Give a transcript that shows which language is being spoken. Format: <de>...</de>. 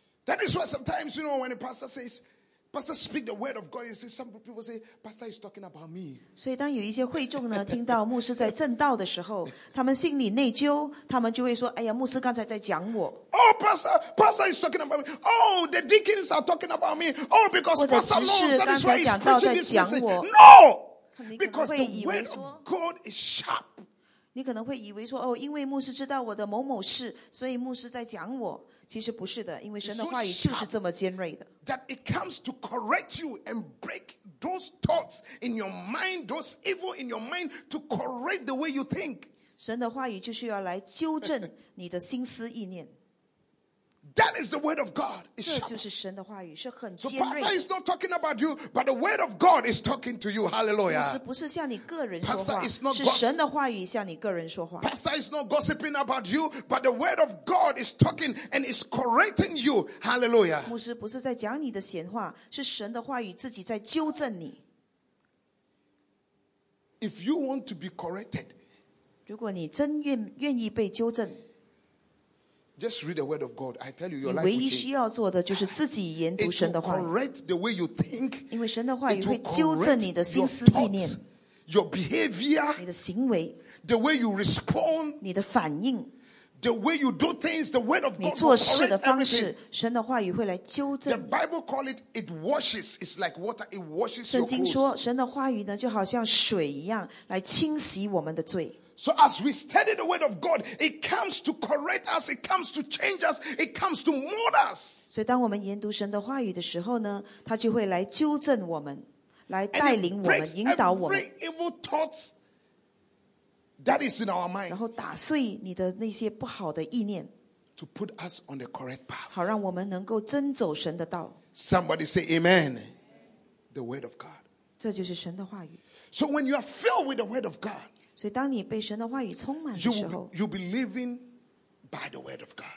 <en>That is why sometimes, you know, when a pastor says,Pastor speak the word of God. You see, some people say, Pastor is talking about me.</en> <zh>所以当有一些会众呢听到牧师在正道的时候，他们心里内疚，他们就会说：“哎呀，牧师刚才在讲我。”</zh> <en>Oh, Pastor is talking about me. Oh, the deacons are talking about me. Oh, because Pastor knows that is why he's preaching this message. No, because the word of God is sharp.</en> <zh>你可能会以为说，你可能会以为说，哦，因为牧师知道我的某某事，所以牧师在讲我。其实不是的，因为神的话语就是这么尖锐的。</zh> <en>That it comes to correct you and break those thoughts in your mind, those evil in your mind, to correct the way you think.</en> <zh>神的话语就是要来纠正你的心思意念。</zh> <en>That is the word of God.</en> <zh>这就是神的话语，是很尖锐的。</zh> <en>So Pastor is not talking about you, but the word of God is talking to you. Hallelujah.</en> <zh>牧师不是向你个人说话，是神的话语向你个人说话。</zh> <en>Pastor is not gossiping about you, but the word of God is talking and is correcting you. Hallelujah.</en> <zh>牧师不是在讲你的闲话，是神的话语自己在纠正你。</zh> <en>If you want to be corrected,</en> <zh>如果你真愿意被纠正。</zh> <en>Just read the word of God. I tell you, your life will change.</en> <zh>你唯一需要做的就是自己研读神的话。</zh> <en>It will correct the way you think.</en> <zh>因为神的话语会纠正你的心思意念。</zh> <en>Your behavior.</en> <zh>你的行为。</zh> <en>The way you respond.</en> <zh>你的反应。</zh> <en>The way you do things, the word of God.</en> <zh>你做事的方式， 神的话语会来纠正。</zh> <en>The Bible calls it, it washes. It's like water. It washes your clothes.</en> <zh>圣经说， 神的话语呢， 就好像水一样， 来清洗我们的罪。</zh> <en>So as we study the word of God, it comes to correct us, it comes to change us, it comes to mold us.</en> <zh>所以当我们研读神的话语的时候呢， 祂就会来纠正我们， 来带领我们， 引导我们。</zh> <en>And it breaks every evil thought that is in our mind.</en> <zh>然后打碎你的那些不好的意念。</zh> <en>To put us on the correct path.</en> <zh>好让我们能够遵走神的道。</zh> <en>Somebody say amen. The word of God.</en> <zh>这就是神的话语。</zh> <en>So when you are filled with the word of God,</en> <zh>所以当你被神的话语充满的时候，</zh> <en>you'll be living by the word of God.</en>